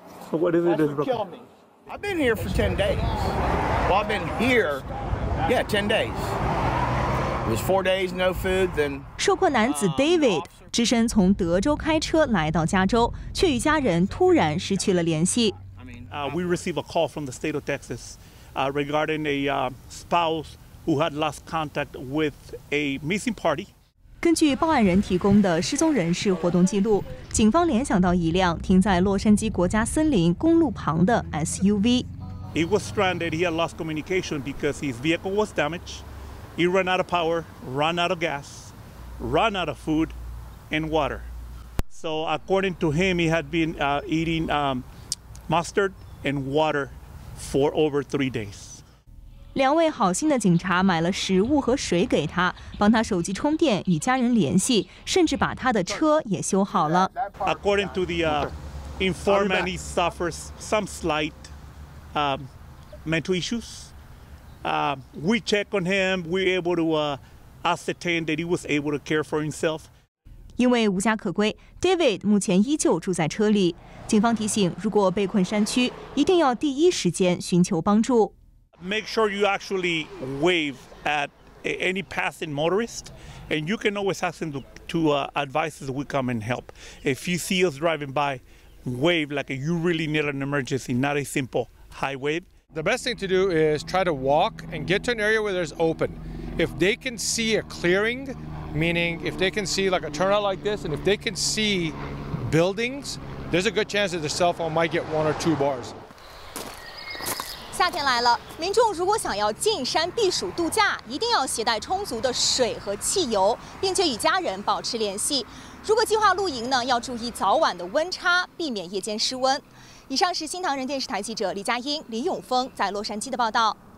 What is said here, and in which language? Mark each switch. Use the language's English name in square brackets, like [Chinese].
[English] What is it? I've been here for 10 days. Well, I've been here, yeah, 10 days. It was 4 days, no food, then. [Chinese] 受困男子 David 只身从德州开车来到加州，却与家人突然失去了联系。 [English] We received a call from the state of Texas, regarding a spouse who had lost contact with a missing party. [Chinese] 根据报案人提供的失踪人士活动记录，警方联想到一辆停在洛杉矶国家森林公路旁的 SUV。 [English] He was stranded. He had lost communication because his vehicle was damaged. He ran out of power, ran out of gas, ran out of food and water. So according to him, he had been eating mustard and water for over 3 days. [Chinese] 两位好心的警察买了食物和水给他，帮他手机充电，与家人联系，甚至把他的车也修好了。 [English] According to the informant, he suffers some slight mental issues. We check on him. We're able to ascertain that he was able to care for himself. [Chinese] 因为无家可归 ，David 目前依旧住在车里。警方提醒，如果被困山区，一定要第一时间寻求帮助。 [English] Make sure you actually wave at any passing motorist, and you can always ask them to advise us. We come and help. If you see us driving by, wave like you really need an emergency, not a simple high wave. The best thing to do is try to walk and get to an area where there's open. If they can see a clearing, meaning if they can see like a turnout like this, and if they can see buildings, there's a good chance that their cell phone might get one or two bars. [Chinese] 夏天来了，民众如果想要进山避暑度假，一定要携带充足的水和汽油，并且与家人保持联系。如果计划露营呢，要注意早晚的温差，避免夜间失温。以上是新唐人电视台记者李佳音、李永峰在洛杉矶的报道。